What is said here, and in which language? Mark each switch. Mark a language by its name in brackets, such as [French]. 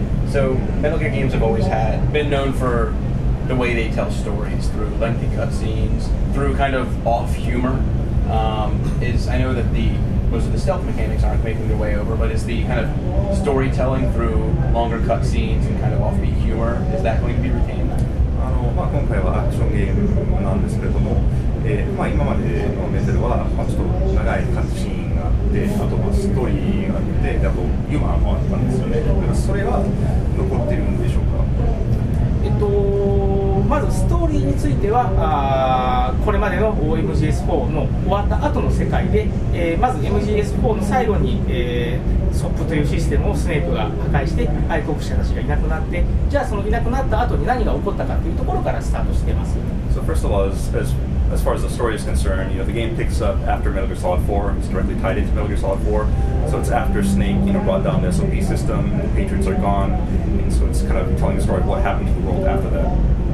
[English] So Metal Gear games have always been known for the way they tell stories through lengthy cutscenes, through kind of off humor. I know that most of the stealth mechanics aren't making their way over, but is the kind of storytelling through longer cutscenes and kind of offbeat humor, is that going to be retained? [Japanese] 今回はアクションゲームなんですけれども、今までのメタルは、ちょっと長いカットシーンがあって、あとストーリーがあって、あとユーモアもあったんですよね。それは残っているんでしょうか。まずストーリーについては、これまでの MGS4 の終わった後の世界で、まず MGS4 の最後に、ソップというシステムをスネークが破壊して愛国者たちがいなくなって、じゃあそのいなくなった後に何が起こったかというところからスタートしています。 [English] So first of all, as far as the story is concerned, you know, the game picks up after Metal Gear Solid 4. It's directly tied into Metal Gear Solid 4. So it's after Snake, you know, brought down the SOP system, and the Patriots are gone, and so it's kind of telling the story of what happened to the world after that.